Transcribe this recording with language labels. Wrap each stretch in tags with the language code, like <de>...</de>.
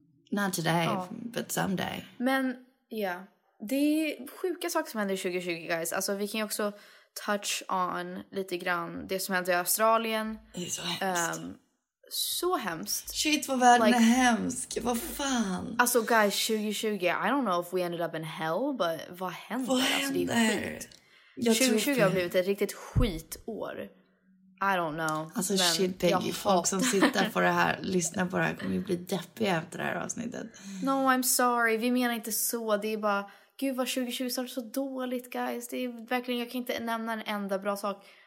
<en>Not today, but someday.</en> <sv>Men, ja. Det är sjuka saker som händer 2020, guys. Alltså, vi kan ju också</sv> <en>touch on</en> <sv>lite grann det som hände i Australien. Det är så hemskt. Så hemskt. Shit, vad världen är hemsk. Vad fan. Alltså,</sv> <en>guys, 2020, I don't know if we ended up in hell, but</en> <sv>vad hände? Vad hände? Alltså, det är skit. 2020 har blivit ett riktigt skitår.</sv> <en>I don't know.</en> <sv>Alltså, men shit, Peggy, folk som sitter på det här, lyssnar på det här, kommer ju bli deppiga efter det här avsnittet.</sv> <en>No, I'm sorry.</en> <sv>Vi menar inte så. Det är bara, gud vad 2020 har varit så dåligt, guys. Det är verkligen, jag kan inte nämna en enda bra sak</sv>